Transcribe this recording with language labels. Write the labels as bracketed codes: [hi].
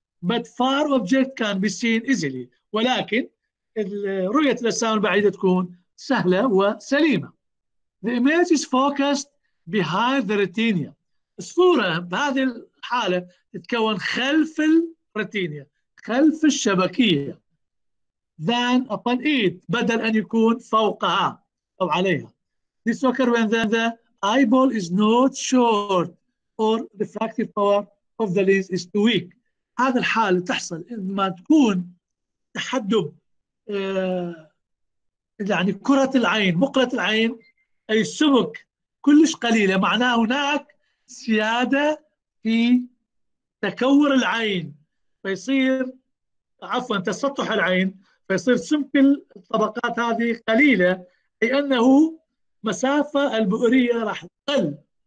[en] But far object can be seen easily، [ar] ولكن رؤية الأجسام البعيدة تكون سهلة وسليمة. [en] The image is focused behind the retina، [ar] الصورة بهذه الحالة تتكون خلف الريتينيا، خلف الشبكية. [en] Than upon it، [ar] بدل أن يكون فوقها أو عليها. [en] This occurs when the eyeball is not short or refractive power of the lens is too weak. [ar] هذه الحالة تحصل عندما تكون تحدب يعني كرة العين، مقلة العين، أي السمك كلش قليلة، معناه هناك زيادة في تكور العين، فيصير عفوا تسطح العين، فيصير سمك الطبقات هذه قليلة، أي أنه مسافة البؤرية راح تقل.